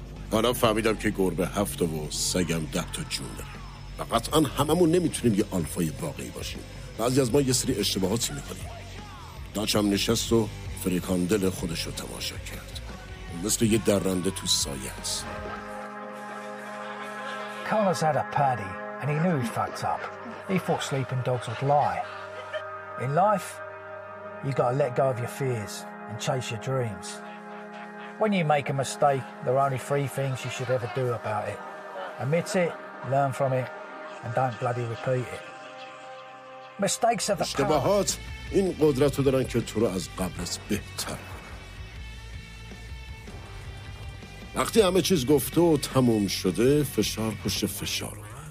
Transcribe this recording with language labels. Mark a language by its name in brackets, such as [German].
[Persian] حالا فهمیدم که گربه هفت و سگم ده تا جون داره و قطعا هممون نمیتونیم یه آلفای واقعی باشیم. بعضی از ما یه سری اشتباهاتی میکنیم. داچم نشست و فریکاندل خودش رو تماشا کرد، مثل یه درنده تو سایه هست. [English] Carlos had a paddy and he knew he fucked up. He thought sleeping dogs would lie. In life you gotta let go of your fears and chase your dreams. When you make a mistake, there are only three things you should ever do about it. Admit it, learn from it, and don't bloody repeat it. Mistakes are the power. [Persian] اشتباهات این قدرت رو دارن که تو رو از قبل از بهتر کنن. وقتی همه چیز گفته و تموم شده، فشار پشت فشار اومد.